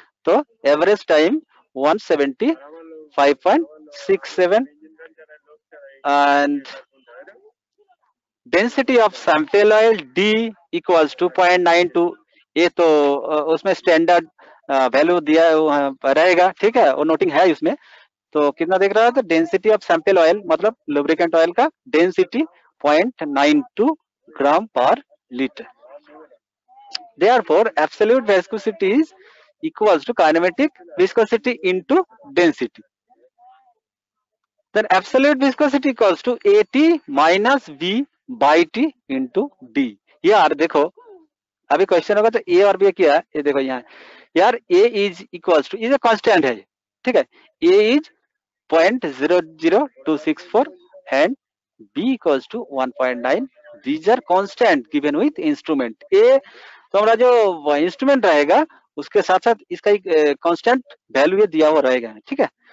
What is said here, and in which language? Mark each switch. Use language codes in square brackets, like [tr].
[hi] तो average time 175.67 and density of sample oil d equals 2.92, ये तो उसमें स्टैंडर्ड वैल्यू दिया रहेगा, ठीक है, वो नोटिंग है उसमें। तो कितना देख रहा था, डेंसिटी ऑफ सैंपल ऑयल, मतलब लुब्रिकेंट ऑयल का डेंसिटी 0.92 ग्राम पर litre. [en] Therefore, absolute viscosity is equals to kinematic viscosity into density. Then absolute viscosity equals to AT minus V by T into D. [hi] यार देखो, अभी क्वेश्चन होगा तो ए और B क्या है, ये देखो यहाँ यार ए is equal two is a constant है ठीक है ए is 0.00264 and B equal to 1.9 [en] these are constant given with instrument [hi] ए तो हमारा जो इंस्ट्रूमेंट रहेगा उसके साथ साथ इसका एक कॉन्स्टेंट वैल्यू दिया हुआ रहेगा ठीक है